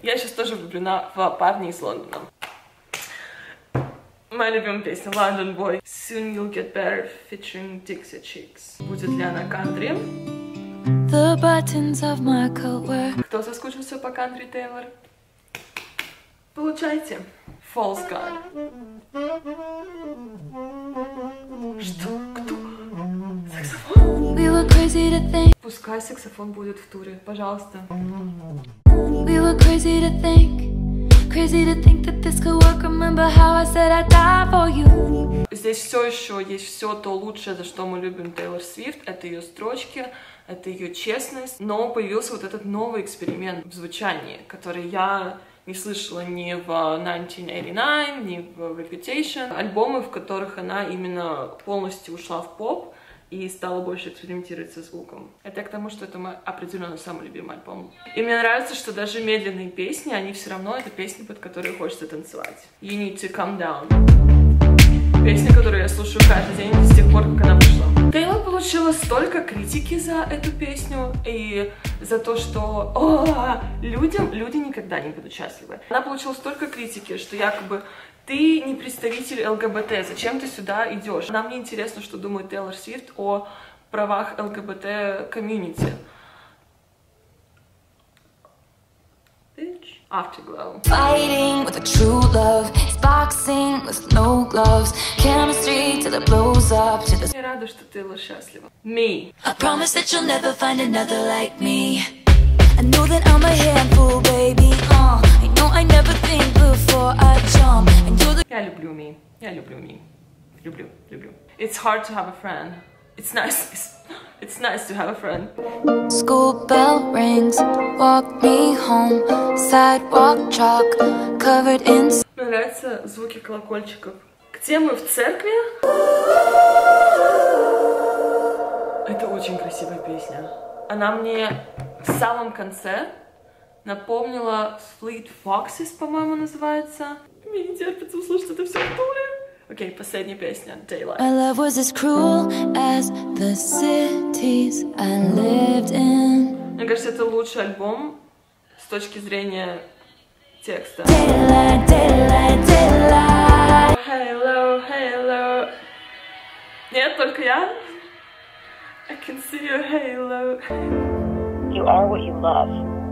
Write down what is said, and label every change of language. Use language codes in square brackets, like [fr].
[ru] Я сейчас тоже влюблена в парня из Лондона. Моя любимая песня, London Boy. [en] Soon you'll get better, featuring Dixie Chicks. [ru] Будет ли она кантри? [en] The buttons of my coat were... [ru] Кто соскучился по кантри, Тейлор? Получайте. False God. Что? Кто? Саксофон? [en] We were crazy to think... [ru] Пускай саксофон будет в туре, пожалуйста. [en] We were crazy to think... Crazy to think that this could work. Remember how I said I'd die for you. [ru] Здесь все еще есть все то лучшее, за что мы любим Тейлор Свифт. Это ее строчки, это ее честность. Но появился вот этот новый эксперимент в звучании, который я не слышала ни в 1989, ни в Reputation. Альбомы, в которых она именно полностью ушла в поп и стала больше экспериментировать со звуком. Это к тому, что это мой определенно самый любимый альбом. И мне нравится, что даже медленные песни, они все равно это песни, под которые хочется танцевать. [en] You Need to Calm Down. [ru] Песня, которую я слушаю каждый день с тех пор, как она вышла. Тейлор получила столько критики за эту песню и за то, что люди никогда не будут счастливы. Она получила столько критики, что якобы ты не представитель ЛГБТ, зачем ты сюда идешь? Нам не интересно, что думает Тейлор Свифт о правах ЛГБТ комьюнити. [en] Afterglow. Fighting with a true love, it's boxing with no gloves. Chemistry till it blows up to the... [ru] Я рада, что ты была счастлива. [en] Me. I promise that you'll never find another like me. I know that I'm a handful, baby. I know I never think before I jump. And you're the... [ru] Я люблю [en] me. [ru] Я люблю [en] me. [ru] Люблю. [en] It's hard to have a friend. It's nice. It's nice to have a friend. School bell rings, walk me home, sidewalk chalk covered in... [ru] Мне нравятся звуки колокольчиков. Где мы, в церкви? Это очень красивая песня. Она мне в самом конце напомнила Fleet Foxes, по-моему, называется. Мне не терпится услышать это все в туре. Окей, последняя песня, Daylight. [en] My love was as cruel as the cities I lived in. [ru] Мне кажется, это лучший альбом с точки зрения текста. [en] Daylight, daylight, daylight. Hello, hello. [ru] Нет, только я. [en] I can see your halo. You are what you love.